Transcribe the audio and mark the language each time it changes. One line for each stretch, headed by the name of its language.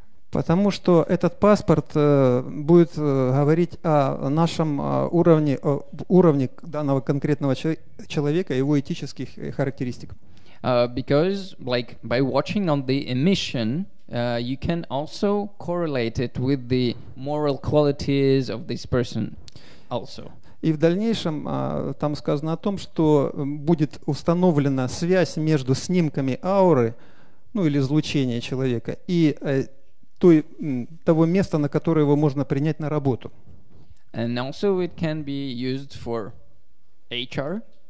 Russian: Потому что этот паспорт будет говорить о нашем уровне, о уровне данного конкретного человека, его этических характеристик.
English: Because, like, by watching on the emission, you can also correlate it with the moral qualities of this person also.
Russian: И в дальнейшем там сказано о том, что будет установлена связь между снимками ауры, ну или излучения человека, и того места, на которое его можно принять на работу.
English: And also it can be used for HR.